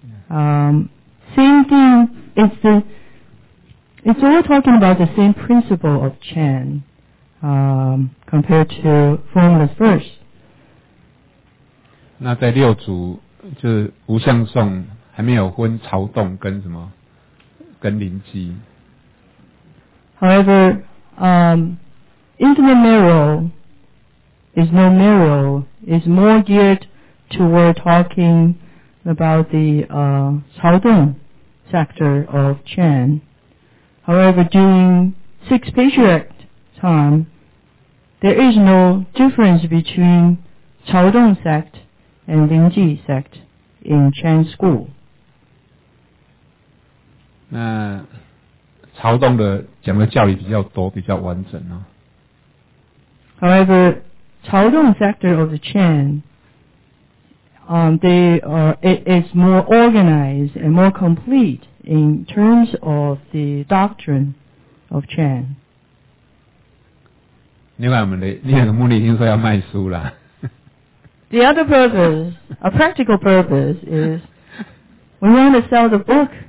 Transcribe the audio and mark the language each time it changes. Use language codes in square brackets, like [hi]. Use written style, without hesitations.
[en] Same thing, it's all talking about the same principle of Chan compared to formless verse. [zh] 那在六祖就是无相颂还没有分朝洞跟什么跟灵机。 [en] However, infinite mirror is no mirror, is more geared toward talking about the 朝洞 sector of Chan. However, during six patriarch time, there is no difference between 朝洞 sect and 灵机 sect in Chan school. [zh] 那朝洞的讲的教理比较多，比较完整啊。 [en] However, 朝洞 sector of the Chan, it is more organized and more complete in terms of the doctrine of Chan. [zh] 另外，我们的另一个目的已经说要卖书了。 [en] The other purpose, a practical purpose, is we want to sell the book.